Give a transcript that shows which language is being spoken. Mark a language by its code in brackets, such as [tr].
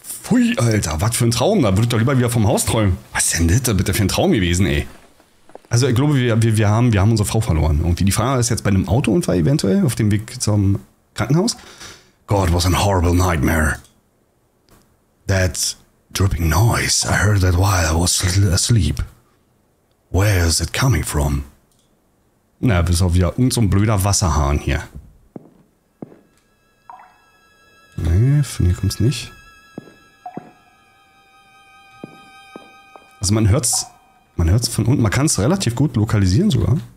[de] Hui, Alter, was für ein Traum. Da würde ich doch lieber wieder vom Haus träumen. Was ist denn das da bitte für ein Traum gewesen, ey? Also, ich glaube, wir haben unsere Frau verloren. Irgendwie. Die Frage ist jetzt bei einem Autounfall eventuell auf dem Weg zum Krankenhaus. [en] God, was a horrible nightmare. That dripping noise, I heard that while I was asleep. Where is it coming from? [de] Na, bis auf wieder irgend so ein blöder Wasserhahn hier. Nee, von hier kommt's nicht. Also man hört's von unten, man kann es relativ gut lokalisieren sogar.